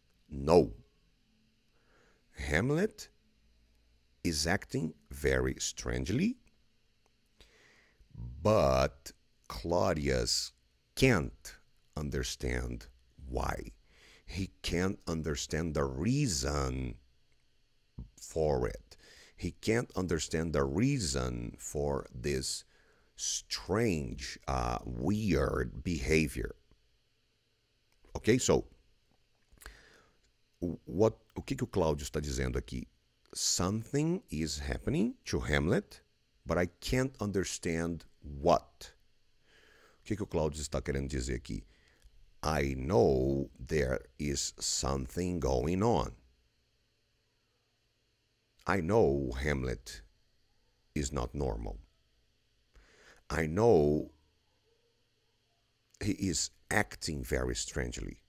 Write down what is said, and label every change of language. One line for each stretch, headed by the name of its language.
English: No. Hamlet is acting very strangely, but Claudius can't understand why. He can't understand the reason for it. He can't understand the reason for this strange, weird behavior. Okay, so
Portuguese: o que o Claudio está dizendo aqui?
English: Something is happening to Hamlet, but I can't understand what.
Portuguese: O que o Claudio está querendo dizer aqui?
English: I know there is something going on. I know Hamlet is not normal. I know he is acting very strangely.